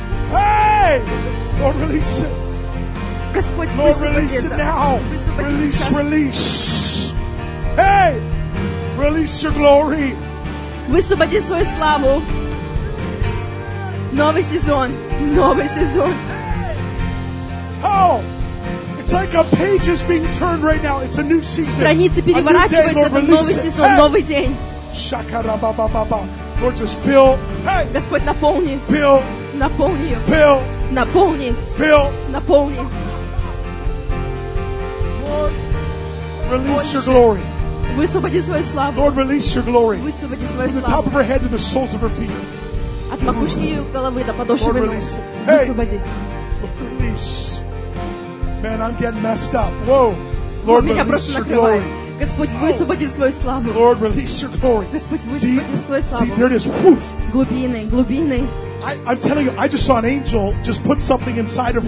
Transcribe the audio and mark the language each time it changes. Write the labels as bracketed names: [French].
[English] Hey. Lord, release it. [Russian] Господь, [English] Lord, release it now. Release, release. Hey, release your glory. [Russian] Высвободи свою славу. Новый сезон, новый сезон. [English] Oh, it's like a page is being turned right now. It's a new season. [Russian] Страницы переворачиваются, это новый сезон, новый день. [English] Shakara ba ba ba ba. Lord, just fill. Hey. [Russian] Господь, наполни. [English] Fill. [Russian] Наполни. [English] Fill. [Russian] Наполни. [English] Fill. [Russian] Наполни. [English] Lord, release your glory. [Russian] Высвободи свою славу. [English] Lord, release your glory. [Russian] Высвободи свою славу. [English] From the top of her head to the soles of her feet. [Russian] От макушки ее головы до подошвы ног. [English] Lord, release. [Russian] Hey. Высвободи. [English] Release. Man, I'm getting messed up. Whoa. Lord, release your glory. [Russian] Господь, высвободи свою славу. [English] Lord, release your glory. [Russian] Господь, высвободи свою славу. [English] Deep, there it is. Woof. [Russian] Глубины, глубины. [English] I'm telling you, I just saw an angel just put something inside of her.